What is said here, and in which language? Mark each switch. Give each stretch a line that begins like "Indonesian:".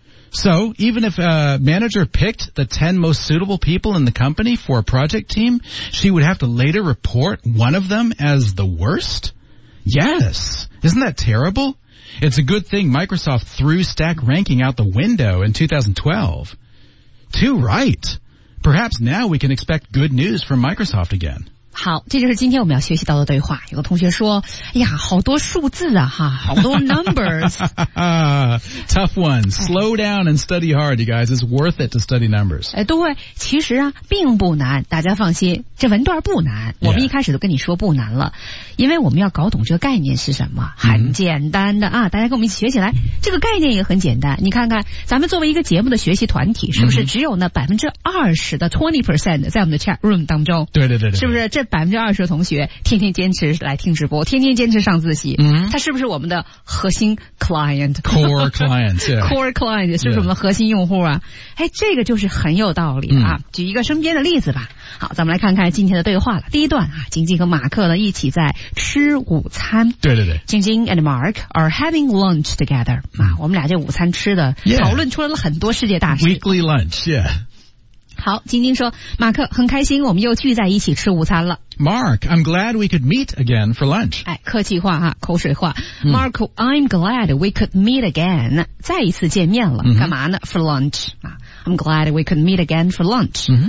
English: So, even if a manager picked the 10 most suitable people in the company for a project team, she would have to later report one of them as the worst? Yes. Isn't that terrible? It's a good thing Microsoft threw stack ranking out the window in 2012. Too right. Perhaps now we can expect good news from Microsoft again.
Chinese: 好，这就是今天我们要学习到的对话。有个同学说，哎呀，好多数字啊，哈，好多 numbers。
English: Tough one. Slow down and study hard, you guys. It's worth it to study numbers.
Chinese: 哎，对，其实啊，并不难，大家放心，这文段不难。我们一开始都跟你说不难了，
English: yeah.
Chinese: 因为我们要搞懂这个概念是什么，很简单的啊。大家跟我们一起学起来，这个概念也很简单。你看看，咱们作为一个节目的学习团体，是不是只有那20%的 20% 在我们的 chat room 当中？对对对对，是不是？这20%的同学天天坚持来听直播，天天坚持上自习，他是不是我们的核心 client?
English: Core client, yeah.
Chinese: Core client, 是不是我们的核心用户啊？哎，这个就是很有道理啊。举一个身边的例子吧。好，咱们来看看今天的对话了。第一段啊，晶晶和马克呢一起在吃午餐。对对对。
English: 晶晶 and Mark are having lunch together.
Chinese: 我们俩这午餐吃的、
English: yeah.
Chinese: 讨论出来了很多世界大事。
English: Weekly lunch, yeah.
Chinese: 好，晶晶说，马克，很开心我们又聚在一起吃午餐了。
English: Mark, I'm glad we could meet again for lunch.
Chinese: 哎，客气话哈，口水话。
English: Mark, I'm glad we could meet again.
Chinese: 再一次见面了，干嘛呢 ？
English: For lunch. I'm glad we could meet again for lunch.